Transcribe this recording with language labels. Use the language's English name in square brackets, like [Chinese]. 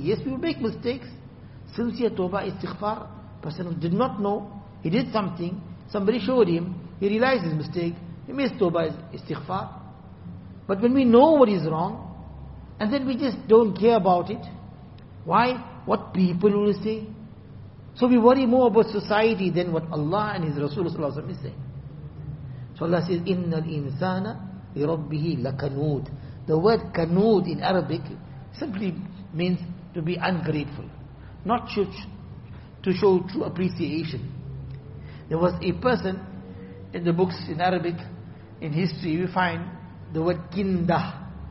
[English] Yes, we will make mistakes. Sincere tawbah, istighfar, person who did not know, he did something, somebody showed him, he realized his mistake, he missed tawbah, istighfar. But when we know what is wrong, and then we just don't care about it, why? What people will say? So we worry more about society than what Allah and His Rasul is saying. So Allah says, [Arabic] إِنَّ الْإِنسَانَ لِرَبِّهِ لَكَنُود. [English] The word kanood in Arabic simply means to be ungrateful, not to show true appreciation. There was a person in the books in Arabic, in history, we find the word kindah.